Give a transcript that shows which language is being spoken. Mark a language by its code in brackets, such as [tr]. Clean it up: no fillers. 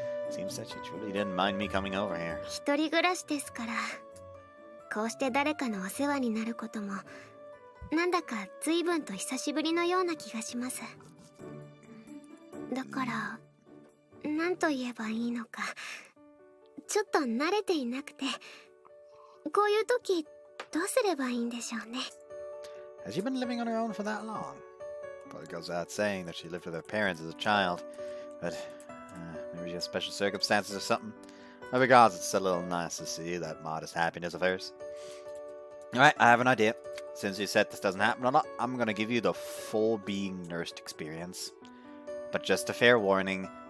[en] Seems that she truly didn't mind me coming over here. [ja] 一人暮らしですから、こうして誰かのお世話になることも、なんだか随分と久しぶりのような気がします。だから、なんと言えばいいのか、ちょっと慣れていなくて、こういう時どうすればいいんでしょうね。 [en] Has she been living on her own for that long? Probably goes without saying that she lived with her parents as a child, but maybe she has special circumstances or something. But regardless, it's a little nice to see that modest happiness of hers. Alright, I have an idea. Since you said this doesn't happen a lot, I'm gonna give you the full being nursed experience. But just a fair warning,